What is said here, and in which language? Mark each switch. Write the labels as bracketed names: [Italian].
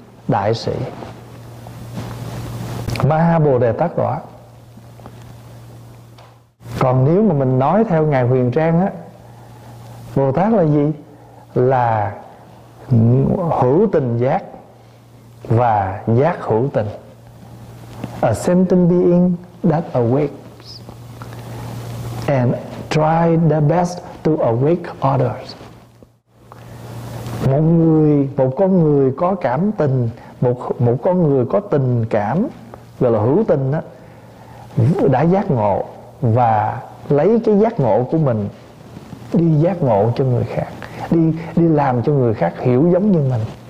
[Vietnamese] đại sĩ Maha Bồ Đề Tát Đoạ. Còn nếu mà mình nói theo Ngài Huyền Trang á, Bồ Tát là gì? Là hữu tình giác và giác hữu tình. [English] A sentient being that awakes and try the best to awake others. [Vietnamese] Một người, một con người có cảm tình, một con người có tình cảm gọi là hữu tình đó, đã giác ngộ và lấy cái giác ngộ của mình đi giác ngộ cho người khác, đi làm cho người khác hiểu giống như mình.